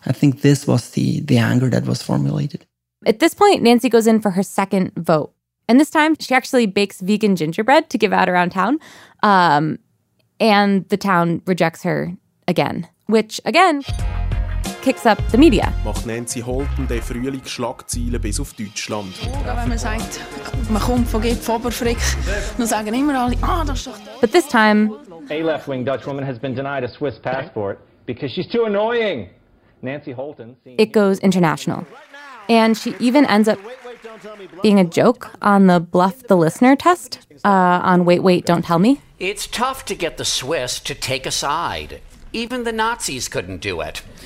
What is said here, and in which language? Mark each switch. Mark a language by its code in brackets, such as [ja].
[en] I think this was the anger that was formulated. At this point, Nancy goes in for her second vote. And this time, she actually bakes vegan gingerbread to give out around town. And the town rejects her again, which, again, kicks up the media. [de] Macht Nancy Holten den Frühling Schlagzeilen bis auf Deutschland. Wenn man sagt, man kommt von Gipf Oberfrick, dann sagen immer alle, ah, das ist doch... [en] But this time... A left-wing Dutch woman has been denied a Swiss passport because she's too annoying. Nancy Holten... It goes international. And she even ends up being a joke on the Bluff the Listener test on Wait, Wait, Don't Tell Me. It's tough to get the Swiss to take a side. Even the Nazis couldn't do it.